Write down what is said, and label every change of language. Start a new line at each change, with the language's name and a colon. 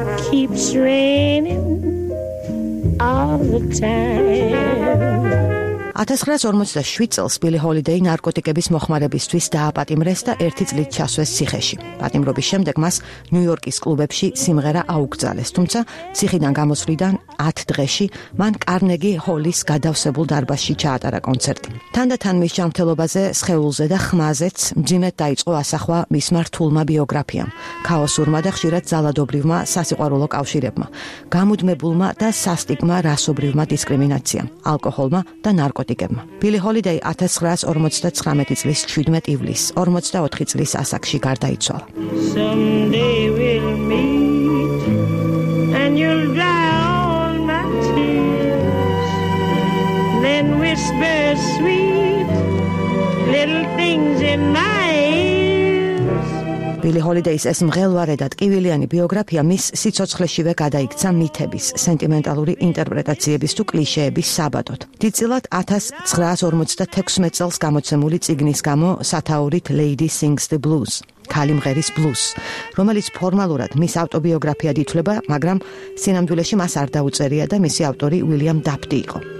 English: Keeps raining all the time.
Georgian: 1947 წელს ბილი ჰოლიდეი ნარკოტიკების მოხმარებისთვის დააპატიმრეს და ერთი წლით ჩასვეს ციხეში. პატიმრობის შემდეგ მას ნიუ-იორკის კლუბებში სიმღერა აუკრძალეს, თუმცა ციხიდან გამოსვლიდან 10 დღეში მან კარნეგი ჰოლის გადავსებულ დარბაზში ჩაატარა კონცერტი. თანდათან მის ჯანმრთელობაზე, სხეულზე და ხმაზეც მძიმედ დაიწყო ასახვა მისმა რთულმა ბიოგრაფიამ, ქაოსურმა და ხშირად ძალადობრივმა სასიყვარულო კავშირებმა, გამუდმებულმა და სასტიკმა რასობრივმა დისკრიმინაციამ, ალკოჰოლმა და ნარკოტიკებმა. ბილი ჰოლიდეი 1959 წლის 17 ივლისს 44 წლის ასაკში გარდაიცვალა.
English: Someday we'll meet and you'll dry all my tears, then whisper sweet little things in my ears.
Georgian: ბილი ჰოლიდეის ეს მღელვარე და ტკივილიანი ბიოგრაფია მის სიცოცხლეშივე გადაიქცა მითების, სენტიმენტალური ინტერპრეტაციების თუ კლიშეების საბადოთ. დიდწილად 1956 წელს გამოცემული წიგნის გამო სათაურით Lady Sings the Blues, ქალი მღერის ბლუზს, რომელიც ფორმალურად მის ავტობიოგრაფიად ითვლება, მაგრამ სინამდვილეში მას არ დაუწერია და მისი ავტორი უილიამ დაფტი იყო.